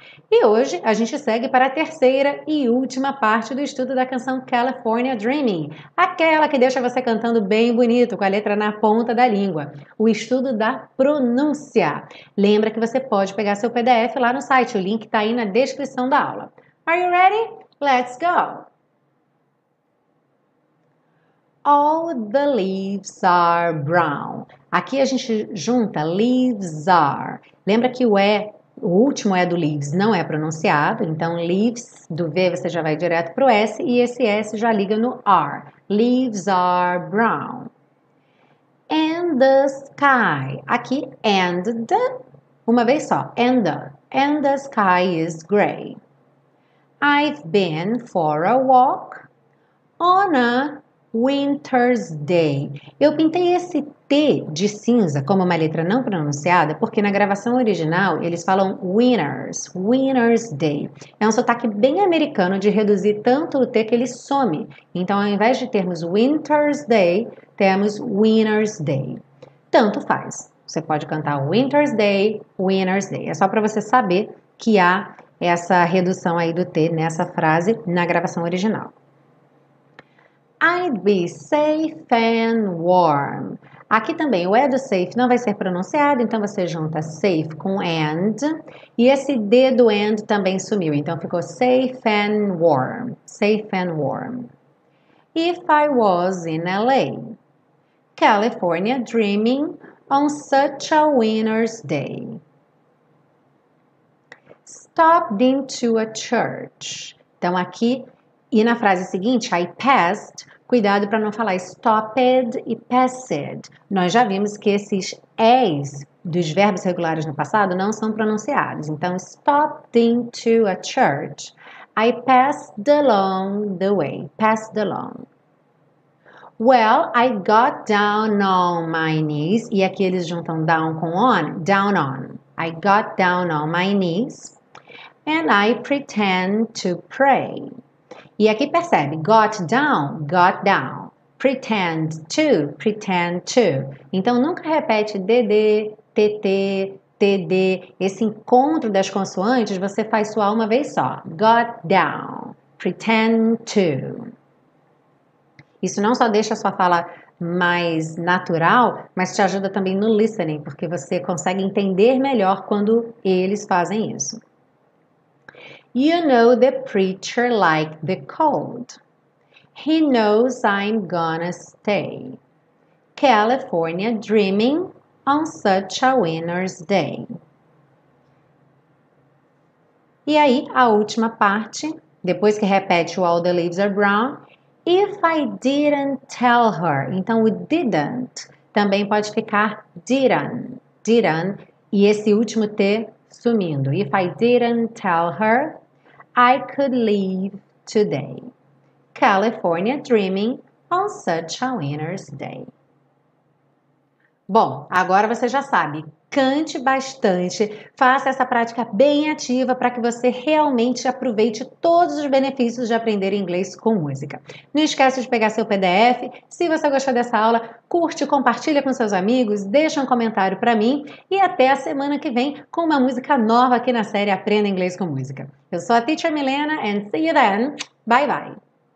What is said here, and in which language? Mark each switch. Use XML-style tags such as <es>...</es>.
<pt>E hoje a gente segue para a terceira e última parte do estudo da canção California Dreaming, aquela que deixa você cantando bem bonito com a letra na ponta da língua, o estudo da pronúncia. Lembra que você pode pegar seu PDF lá no site, o link está aí na descrição da aula.</pt> <en>Are you ready? Let's go! All the leaves are brown.</en> <pt>Aqui a gente junta</pt> <en>leaves are.</en> <pt>Lembra que o E, o último E do leaves, não é pronunciado. Então, leaves, do V você já vai direto para o S e esse S já liga no R.</pt> <en>Leaves are brown. And the sky.</en> <pt>Aqui,</pt> <en>and the.</en> <pt>Uma vez só.</pt> <en>And the. And the sky is gray. I've been for a walk on a winter's day.</en> <pt>Eu pintei esse T de cinza como uma letra não pronunciada porque na gravação original eles falam</pt> <en>winners, winner's day.</en> <pt>É um sotaque bem americano de reduzir tanto o T que ele some. Então, ao invés de termos</pt> <en>winter's day,</en> <pt>temos</pt> <en>winner's day.</en> <pt>Tanto faz. Você pode cantar</pt> <en>winter's day, winner's day.</en> <pt>É só para você saber que há essa redução aí do T nessa frase na gravação original.</pt> <en>I'd be safe and warm.</en> <pt>Aqui também o E do safe não vai ser pronunciado, então você junta safe com and. E esse D do and também sumiu, então ficou</pt> <en>safe and warm. Safe and warm. If I was in LA. California dreaming on such a winter's day. Stopped into a church.</en> <pt>Então aqui, e na frase seguinte,</pt> <en>I passed,</en> <pt>cuidado para não falar</pt> <en>stopped e passed.</en> <pt>Nós já vimos que esses es dos verbos regulares no passado não são pronunciados. Então,</pt> <en>stopped into a church. I passed along the way. Passed along. Well, I got down on my knees.</en> <pt>E aqui eles juntam down com on.</pt> <en>Down on. I got down on my knees. And I pretend to pray.</en> <pt>E aqui percebe,</pt> <en>got down, pretend to.</en> <pt>Então nunca repete DD, TT, TD. Esse encontro das consoantes você faz soar uma vez só.</pt> <en>Got down, pretend to.</en> <pt>Isso não só deixa a sua fala mais natural, mas te ajuda também no listening, porque você consegue entender melhor quando eles fazem isso.</pt> <en>You know the preacher liked the cold. He knows I'm gonna stay. California dreaming on such a winter's day.</en> <pt>E aí, a última parte, depois que repete o</pt> <en>all the leaves are brown. If I didn't tell her.</en> <pt>Então, o</pt> <en>didn't</en> <pt>também pode ficar</pt> <en>didn't.</en> <pt>E esse último T sumindo.</pt> <en>If I didn't tell her. I could leave today. California dreaming on such a winter's day.</en> <pt>Bom, agora você já sabe. Cante bastante. Faça essa prática bem ativa para que você realmente aproveite todos os benefícios de aprender inglês com música. Não esquece de pegar seu PDF. Se você gostou dessa aula, curte, compartilha com seus amigos, deixa um comentário para mim e até a semana que vem com uma música nova aqui na série Aprenda Inglês com Música. Eu sou a Teacher Milena</pt> <en>and see you then. Bye, bye.</en>